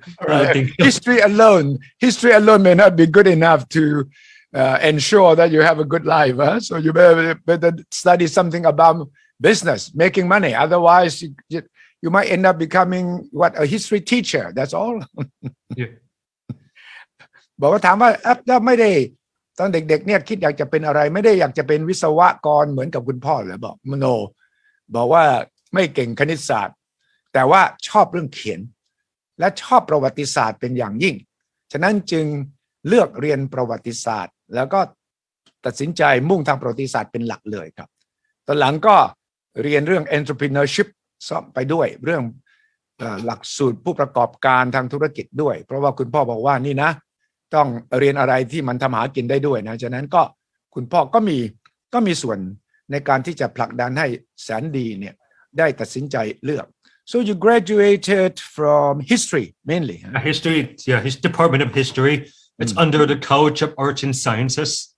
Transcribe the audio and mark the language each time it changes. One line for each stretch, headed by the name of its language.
English: Right. History alone may not be good enough to ensure that you have a good life. Huh? So you better study something about business, making money. Otherwise, you might end up becoming what, a history teacher. That's all. Yeah.
Thai: บอกว่าถามว่าแอปไม่ได้ตอนเด็กๆเนี่ยคิดอยากจะเป็นอะไรไม่ได้อยากจะเป็นวิศวกรเหมือนกับคุณพ่อหรือบอกโนบอกว่าไม่เก่งคณิตศาสตร์แต่ว่าชอบเรื่องเขียนและชอบประวัติศาสตร์เป็นอย่างยิ่งฉะนั้นจึงเลือกเรียนประวัติศาสตร์แล้วก็ตัดสินใจมุ่งทางประวัติศาสตร์เป็นหลักเลยครับตอนหลังก็เรียนเรื่อง entrepreneurship ไปด้วยเรื่อง หลักสูตรผู้ประกอบการทางธุรกิจด้วยเพราะว่าคุณพ่อบอกว่านี่นะต้องเรียนอะไรที่มันทำหากินได้ด้วยนะฉะนั้นก็คุณพ่อก็มีส่วนในการที่จะผลักดันให้แสนดีเนี่ยได้ตัดสินใจเลือก
English: So you graduated from history mainly huh? History yeah his department of historyIt's under the College of Arts and Sciences.